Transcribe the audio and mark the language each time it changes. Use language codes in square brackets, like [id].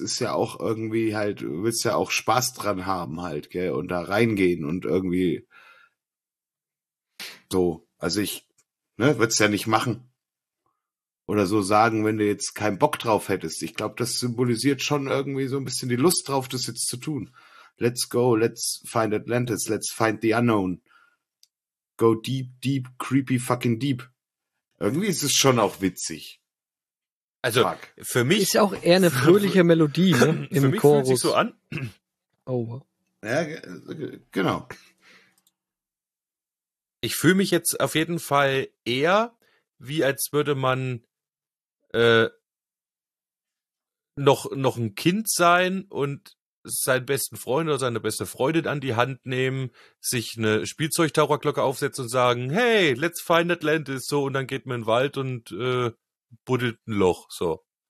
[de] Ist ja auch irgendwie halt, du willst ja auch Spaß dran haben halt, gell? Und da reingehen und irgendwie so. Also ich, ne, würd's ja nicht machen. Oder so sagen, wenn du jetzt keinen Bock drauf hättest. Ich glaube, das symbolisiert schon irgendwie so ein bisschen die Lust drauf, das jetzt zu tun. [en] Let's go, let's find Atlantis, let's find the unknown. Go deep, deep, creepy, fucking deep. [de] Irgendwie ist es schon auch witzig. Also, fuck. Für mich ist ja auch eher eine fröhliche Melodie, ne? Im für mich Chorus. Fühlt sich so an. Oh. Ja, genau. Ich fühle mich jetzt auf jeden Fall eher wie als würde man noch ein Kind sein und seinen besten Freund oder seine beste Freundin an die Hand nehmen, sich eine Spielzeugtaucherglocke aufsetzen und sagen, [en] hey, let's find Atlantis, [de] so, und dann geht man in den Wald und buddelt ein Loch, so.